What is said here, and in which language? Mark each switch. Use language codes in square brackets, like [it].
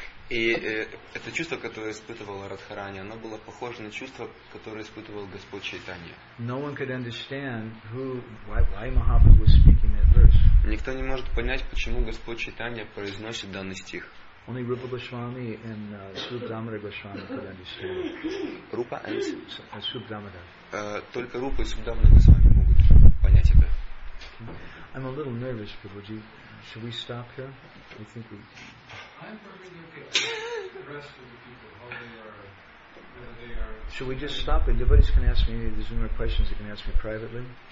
[ru] И это чувство, которое испытывала Радхарани, оно было похоже на чувство, которое испытывал Господь Чайтанья. [en] No one could understand why Mahaprabhu was speaking that verse. [ru] Никто не может понять, почему Господь Чайтанья произносит данный стих. [en] Only Rupa Goswami and Subhadamara Goswami could understand. Rupa and Subhadamara. [ru] Только Рупа и Субхадамара Госвами могут понять это. [en] Okay. I'm a little nervous, Prabhuji. Should we stop here? I think we. I'm perfectly okay. The rest of the people, how they are, they are. Should we just stop it? Nobody's going to ask me. There's no more questions. You can ask me privately.